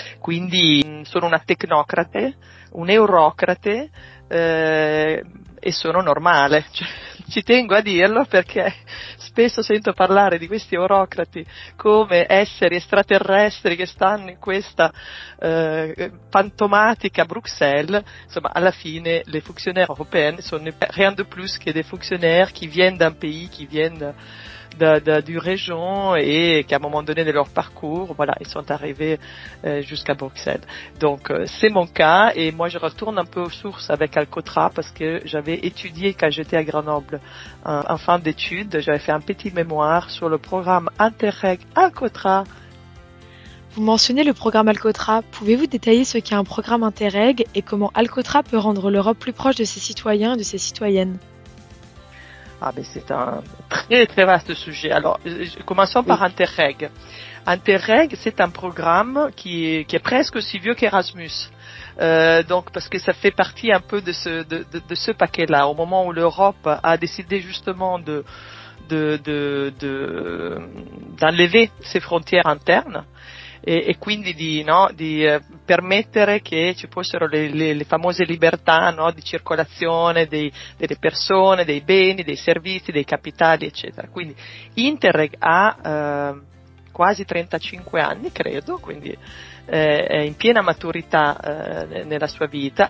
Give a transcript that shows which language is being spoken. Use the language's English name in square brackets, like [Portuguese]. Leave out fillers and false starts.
[Italian] Quindi sono una tecnocrate, un eurocrate e sono normale. Cioè, ci tengo a dirlo perché spesso sento parlare di questi eurocrati come esseri extraterrestri che stanno in questa fantomatica Bruxelles. Insomma, alla fine le [French] fonctionnaires européennes [Italian] sono [French] rien de plus que des fonctionnaires qui viennent d'un pays, qui viennent d'une région et qui à un moment donné de leur parcours, voilà, ils sont arrivés jusqu'à Bruxelles. Donc c'est mon cas et moi je retourne un peu aux sources avec Alcotra parce que j'avais étudié quand j'étais à Grenoble en fin d'études, j'avais fait un petit mémoire sur le programme Interreg Alcotra. Vous mentionnez le programme Alcotra, pouvez-vous détailler ce qu'est un programme Interreg et comment Alcotra peut rendre l'Europe plus proche de ses citoyens et de ses citoyennes? Ah ben c'est un très très vaste sujet. Alors, commençons par Interreg. Interreg, c'est un programme qui est presque aussi vieux qu'Erasmus. Donc parce que ça fait partie un peu de ce paquet-là. Au moment où l'Europe a décidé justement d'enlever ses frontières internes, [Italian] e quindi di, no, di permettere che ci fossero le famose libertà, no, di circolazione delle persone, dei beni, dei servizi, dei capitali, eccetera. Quindi Interreg ha quasi 35 anni, credo, quindi è in piena maturità nella sua vita.